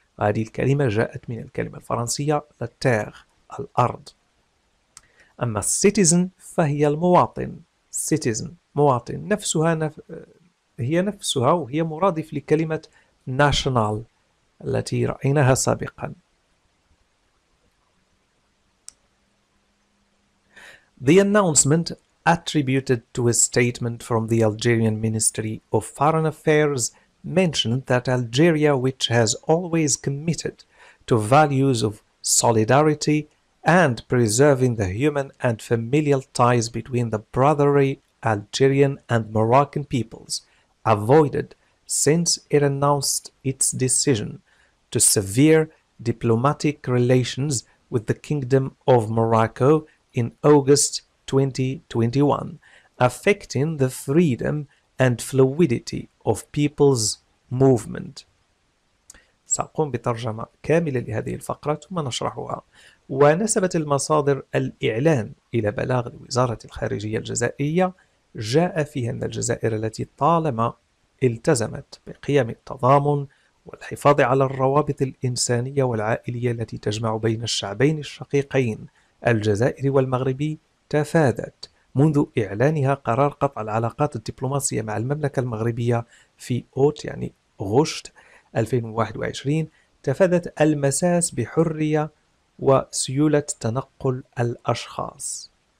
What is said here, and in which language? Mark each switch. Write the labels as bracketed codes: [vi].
[ar] هذه الكلمة جاءت من الكلمة الفرنسية la terre, الأرض. أما citizen فهي المواطن, citizen مواطن, هي نفسها وهي مرادف لكلمة national التي رأيناها سابقا. [en] The announcement, attributed to a statement from the Algerian Ministry of Foreign Affairs, mentioned that Algeria, which has always committed to values of solidarity and preserving the human and familial ties between the brotherly Algerian and Moroccan peoples, avoided, since it announced its decision to sever diplomatic relations with the Kingdom of Morocco in August 2021, affecting the freedom and fluidity of people's movement. [ar] سأقوم بترجمة كاملة لهذه الفقرة ثم نشرحها. ونسبت المصادر الإعلان إلى بلاغ لوزارة الخارجية الجزائرية جاء فيها أن الجزائر التي طالما التزمت بقيم التضامن والحفاظ على الروابط الإنسانية والعائلية التي تجمع بين الشعبين الشقيقين الجزائري والمغربي تفادت منذ إعلانها قرار قطع العلاقات الدبلوماسية مع المملكة المغربية في أوت يعني غشت 2021, تفادت المساس بحرية وسيولة تنقل الأشخاص.